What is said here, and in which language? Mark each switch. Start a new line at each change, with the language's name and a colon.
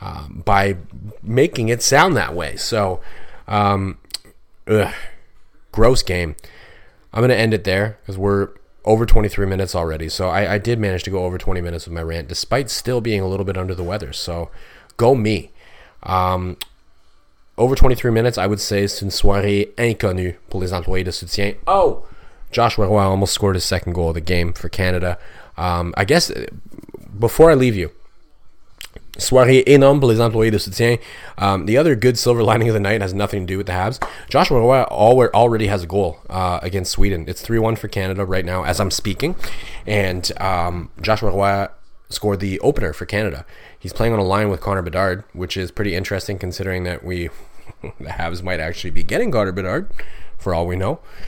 English: By making it sound that way. So, gross game. I'm going to end it there because we're over 23 minutes already. So I did manage to go over 20 minutes with my rant despite still being a little bit under the weather. So go me. Over 23 minutes, I would say
French: c'est une soirée inconnue pour les employés de soutien.
English: Oh, Joshua Roy almost scored his second goal of the game for Canada. I guess before I leave you,
French: soirée énorme pour les employés de soutien.
English: The other good silver lining of the night has nothing to do with the Habs. Joshua Roy already has a goal against Sweden. It's 3-1 for Canada right now as I'm speaking. And Joshua Roy scored the opener for Canada. He's playing on a line with Connor Bedard, which is pretty interesting considering that the Habs might actually be getting Connor Bedard, for all we know.